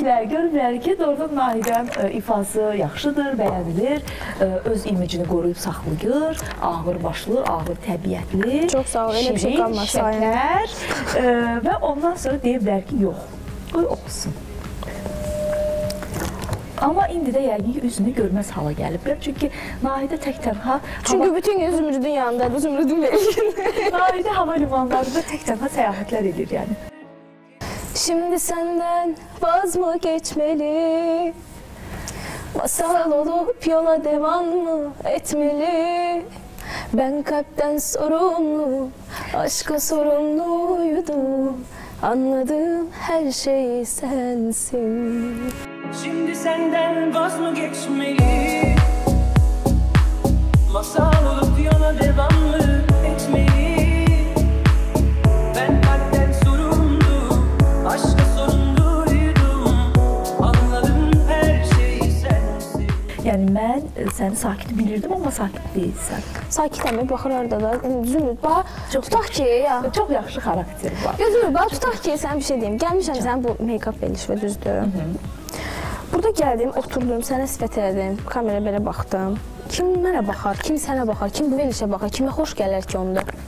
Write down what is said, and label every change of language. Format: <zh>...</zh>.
<az>Görürlər ki, doğrudan Nahidən ifası yaxşıdır, bəyənilir, öz imicini qoruyub saxlayır, ağırbaşlı, ağır təbiətli, şirin, şəkər və ondan sonra deyə bilər ki, yox, qoy oxusun. Amma indi də yəqin ki, üzünü görməz hala gəlibdir. Çünki Nahidə tək tənha... Çünki hava... bütün gün Zümrüdün yanında, bu Zümrüdün verilir. Nahidə hava limanlarında tək tənha səyahətlər edir yəni.</az> <tr>Şimdi səndən vaz mı geçməli? Masal olub yola devam mı etməli? Ben kalpten sorumlu, aşka sorumluydum. Anladığım her şey sensin. Şimdi senden vaz mı geçmeli? Masal olup yola devam mı etmeli? Ben kalpten sorumlu, aşka sorumluydum. Anladığım her şey sensin. Yani ben seni sakin bilirdim ama sakin değilsen.</tr> <az>Sakitəm, baxır orada da. Zümrüd, bax, tutaq ki, ya. Çox yaxşı xarakter var. Zümrüd, bax, tutaq ki, sənə bir şey deyim. Gəlmişəm sənə bu make-up verilişi, düzdür. Burada gəldim, oturdum, sənə sifət elədim, kameraya belə baxdım. Kim mənə baxar, kim sənə baxar, kim bu verilişə baxar, kimə xoş gələr ki onda?</az>